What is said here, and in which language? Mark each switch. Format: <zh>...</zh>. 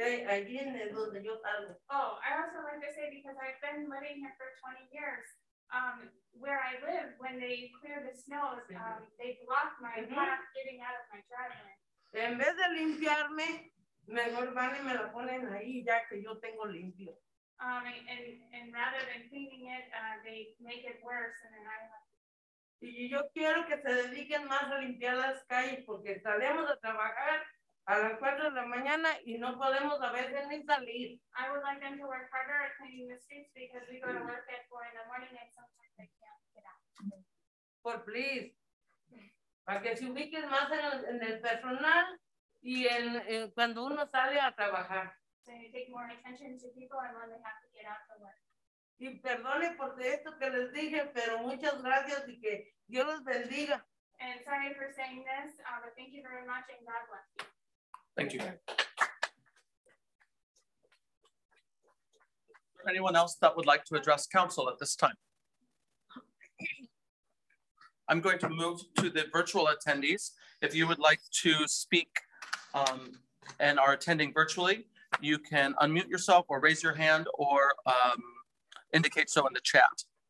<en>I also like to say, because I've been living here for 20 years, where I live, when they clear the snows, they block my path getting out of my driveway.</en> <es>En vez de limpiarme, mejor van y me lo ponen ahí ya que yo tengo limpio.</es> <en>And rather than cleaning it, they make it worse, and then I have.</en> <es>Y yo quiero que se dediquen más a limpiar las calles porque salimos a trabajar a las 4 de la mañana y no podemos a veces ni salir.</es> <en>I would like them to work harder at cleaning the streets because we go to work at 4 in the morning and sometimes they can't get out.</en> <es>Por</es> <en>please.</en> <es>Para que se ubiquen más en el personal y en cuando uno sale a trabajar.</es> <en>So you take more attention to people and when they have to get out to work.</en> <es>Y perdone por esto que les dije, pero muchas gracias y que Dios los bendiga.</es> <en>And sorry for saying this, but thank you very much and God bless you. Thank you. Anyone else that would like to address council at this time? I'm going to move to the virtual attendees. If you would like to speak and are attending virtually, you can unmute yourself or raise your hand or indicate so in the chat.</en>